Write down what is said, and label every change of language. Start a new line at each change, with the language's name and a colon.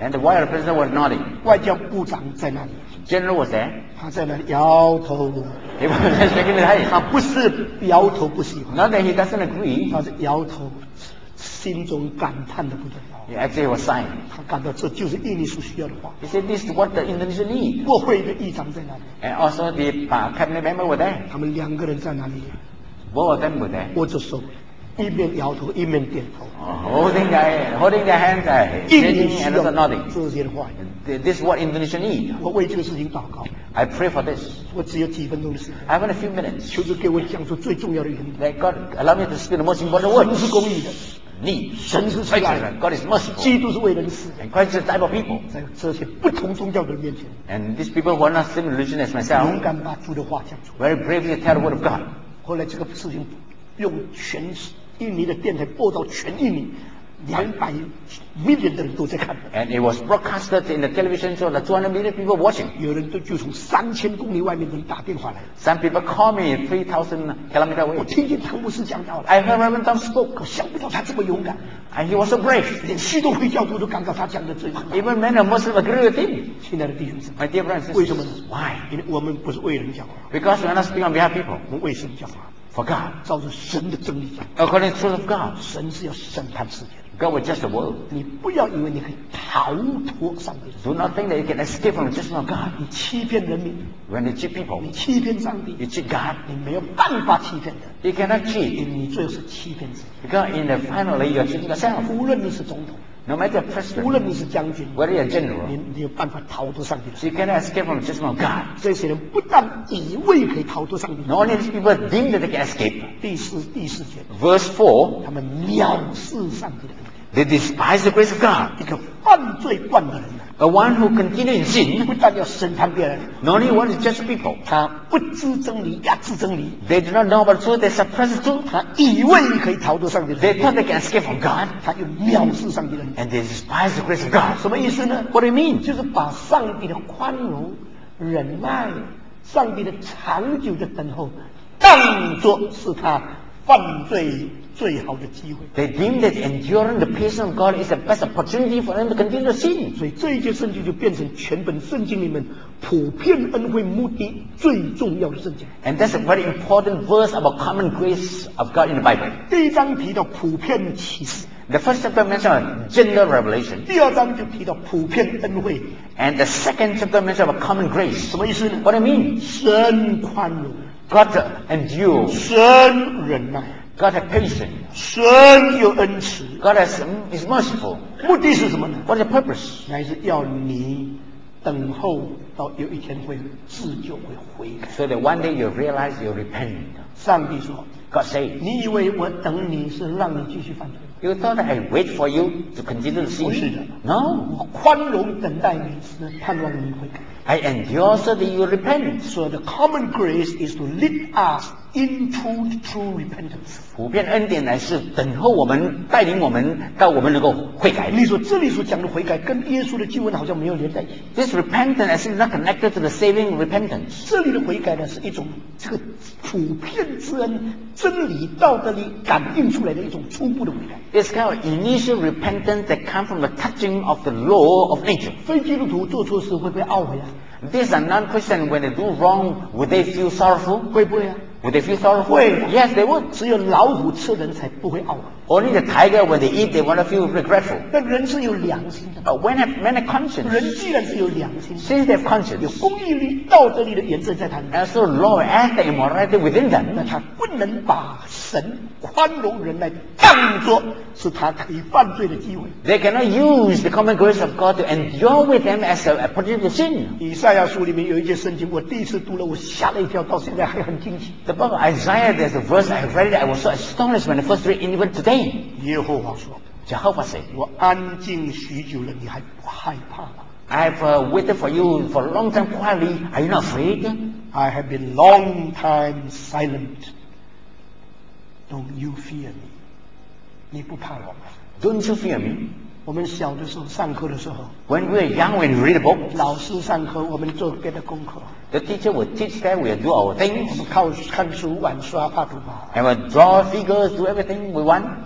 English: And the wife of the president was nodding.
Chinese: 外交部长在那里。
English: General was there.
Chinese: 他在那里摇头。
English: He was shaking his head.
Chinese: 他不是摇头不喜欢。
English: Not that he doesn't agree.
Chinese: 他是摇头，心中感叹的不得了。
English: He actually was sighing.
Chinese: 他感到这就是印尼所需要的话。
English: He said this is what the Indonesia needs.
Chinese: 国会的议长在那里。
English: And also the cabinet member were there.
Chinese: 他们两个人在哪里
English: ？Both of them were there.
Chinese: 握着手。一面摇头，一面点头。
English: Holding their hands, shaking and also nodding. This is what Indonesia needs.
Chinese: 我为这个事情祷告。
English: I pray for this.
Chinese: 我只有几分钟的时间。
English: I have only a few minutes.
Chinese: 求主给我讲出最重要的原因。
English: Let God allow me to speak the most important words.
Chinese: 神是公义的。你神是慈爱的。
English: God is merciful.
Chinese: 基督是为人死。
English: And Christ is the type of people.
Chinese: 在这些不同宗教的人面前。
English: And these people who are not same religion as myself.
Chinese: 勇敢把主的话讲出。
English: Very bravely tell the word of God.
Chinese: 后来这个事情用全。印尼的电台播到全印尼， 200 million 的人都在看的。
English: And it was broadcasted in the television, so the 200 million people watching.
Chinese: 有人都就从3000公里外面的人打电话来。
English: Some people call me 3000 kilometers away.
Chinese: 我听见汤姆斯讲到了。
English: I heard Reverend Tom spoke.
Chinese: 我想不到他这么勇敢。
English: And he was so brave.
Chinese: 连基督教徒都感到他讲的最好。
English: Even many Muslims agree with him.
Chinese: 亲爱的弟兄姊妹。
English: My dear friends.
Chinese: 为什么呢
English: ？Why？
Chinese: 因为我们不是为人讲话。
English: Because we are not speaking on behalf of people.
Chinese: 我们为神讲话。
English: For God.
Chinese: 照着神的真理讲。
English: According to the truth of God.
Chinese: 神是要审判世界的。
English: God will judge the world.
Chinese: 你不要以为你可以逃脱上帝。
English: Do not think that you can escape from the judgment of God.
Chinese: 你欺骗人民。
English: When you cheat people.
Chinese: 你欺骗上帝。
English: You cheat God.
Chinese: 你没有办法欺骗人。
English: You cannot cheat.
Chinese: 你最后是欺骗自己。
English: Because in the finally you are cheating yourself.
Chinese: 无论你是总统。
English: No matter president.
Chinese: 无论你是将军。
English: Whether you are general.
Chinese: 你有办法逃脱上帝。
English: So you cannot escape from the judgment of God.
Chinese: 这些人不但以为可以逃脱上帝。
English: Not only these people deem that they can escape.
Chinese: 第四节。
English: Verse 4.
Chinese: 他们藐视上帝的。
English: They despise the grace of God.
Chinese: 一个犯罪惯的人、啊、
English: A one who continues in sin.
Chinese: 不但要审判别人
English: Not only wants to judge people.
Chinese: 他不知真理，压制真理。
English: They do not know about truth. They suppress truth.
Chinese: 他以为可以逃脱上帝。
English: They thought they can escape from God.
Chinese: 他又藐视上帝的。
English: And they despise the grace of God.
Chinese: 什么意思呢
English: ？What do you mean?
Chinese: 就是把上帝的宽容、忍耐、上帝的长久的等候，当作是他犯罪。最好的机会。
English: They deem that enduring the patience of God is the best opportunity for them to continue sin.
Chinese: 所以这一节圣经就变成全本圣经里面普遍恩惠目的最重要的圣经。
English: And that's a very important verse about common grace of God in the Bible.
Chinese: 第一章提到普遍启示。
English: The first chapter mentioned general revelation.
Chinese: 第二章就提到普遍恩惠。
English: And the second chapter mentioned common grace.
Chinese: 什么意思呢
English: ？What do you mean?
Chinese: 神宽容。
English: God endure.
Chinese: 神忍耐。
English: God has patience.
Chinese: 神有恩慈。
English: God has, is merciful.
Chinese: 目的是什么呢
English: ？What is the purpose？
Chinese: 乃是要你等候到有一天会自救会悔改。
English: So that one day you realize you repent.
Chinese: 上帝说
English: ，God say，
Chinese: 你以为我等你是让你继续犯罪
English: ？You thought I wait for you to continue the sin？
Chinese: 不是的
English: ，No，
Chinese: 我宽容等待你，是盼望你悔改。
English: I endure so that you repent. So the common grace is to lead us into the true repentance.
Chinese: 普遍恩典乃是等候我们，带领我们到我们能够悔改。你说这里所讲的悔改跟耶稣的救恩好像没有连在一起。
English: This repentance is not connected to the saving repentance.
Chinese: 这里的悔改呢是一种这个普遍之恩、真理、道德里感应出来的一种初步的悔改。
English: It's called initial repentance that comes from the touching of the law of nature.
Chinese: 非基督徒做错事会不会懊悔啊？
English: These are non-Christians. When they do wrong, would they feel sorrowful?
Chinese: 会不会啊
English: ？Would they feel sorrowful?
Chinese: 会。
English: Yes, they would.
Chinese: 只有老虎吃人才不会懊悔。
English: Only the tiger, when they eat, they want to feel regretful.
Chinese: 但人是有良心的。
English: When have men a conscience?
Chinese: 人既然是有良心的
English: ，since they have conscience,
Chinese: 有公义力、道德力的原则在他们。
English: And so law and the immorality within them,
Chinese: 那他不能把神宽容人来当作是他可以犯罪的机会。
English: They cannot use the common grace of God to endure with them as a opportunity to sin.
Chinese: 以赛亚书里面有一节圣经，我第一次读了，我吓了一跳，到现在还很惊奇。
English: The book of Isaiah, there's a verse I read, I was so astonished when I first read, even today.
Chinese: 耶和华说
English: Jehovah said,
Chinese: 我安静许久了你还不害怕吗
English: I've waited for you for a long time quietly Are you not afraid? I have been long time silent Don't you fear me?
Chinese: 你不怕我吗
English: Don't you fear me?
Chinese: 我们小的时候上课的时候
English: When we were young when we read a book
Chinese: 老师上课我们做别的功课
English: The teacher will teach that we will do our things
Chinese: 我们靠看书玩刷画图画
English: And we'll draw figures do everything we want